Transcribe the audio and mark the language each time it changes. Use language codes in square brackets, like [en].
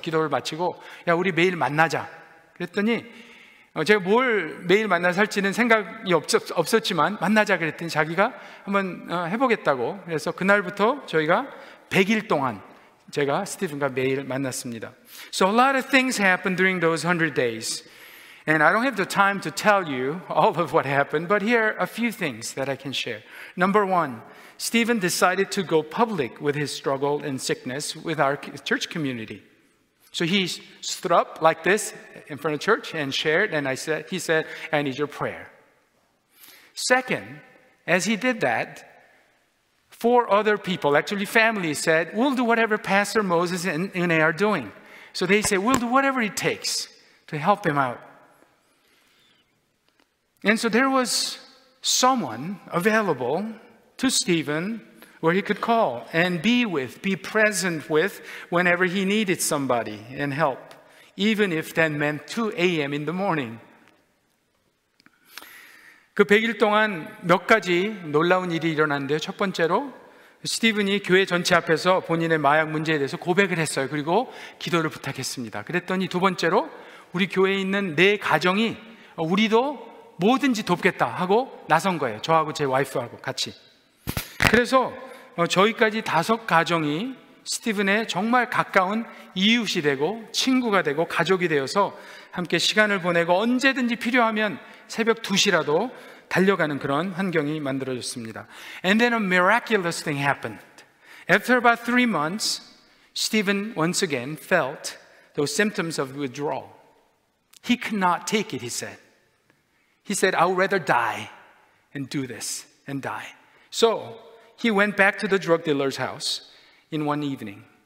[ko] 기도를 마치고, 야, 우리 매일 만나자. 그랬더니 제가 뭘 매일 만나서 할지는 생각이 없었지만 만나자 그랬더니 자기가 한번 해보겠다고. 그래서 그날부터 저희가 100일 동안 제가 스티븐과 매일 만났습니다. [en] So a lot of things happened during those 100 days. And I don't have the time to tell you all of what happened, but here are a few things that I can share. Number one, Stephen decided to go public with his struggle and sickness with our church community. So he stood up like this in front of church and shared, and he said, I need your prayer. Second, as he did that, four other people, actually family, said, we'll do whatever Pastor Moses and Unai are doing. So they said, we'll do whatever it takes to help him out. And so there was someone available to Stephen where he could call and be with, be present with whenever he needed somebody and help, even if that meant 2 a.m. in the morning. [ko] 그 100일 동안 몇 가지 놀라운 일이 일어났는데요. 첫 번째로 스티븐이 교회 전체 앞에서 본인의 마약 문제에 대해서 고백을 했어요. 그리고 기도를 부탁했습니다. 그랬더니 두 번째로 우리 교회에 있는 내 가정이 우리도 뭐든지 돕겠다 하고 나선 거예요. 저하고 제 와이프하고 같이. 그래서 저희까지 다섯 가정이 스티븐의 정말 가까운 이웃이 되고 친구가 되고 가족이 되어서 함께 시간을 보내고 언제든지 필요하면 새벽 2시라도 달려가는 그런 환경이 만들어졌습니다. [en] And then a miraculous thing happened. After about 3 months, Stephen once again felt those symptoms of withdrawal. He could not take it, he said. He said, I would rather die and do this and die. So he went back to the drug dealer's house in one evening.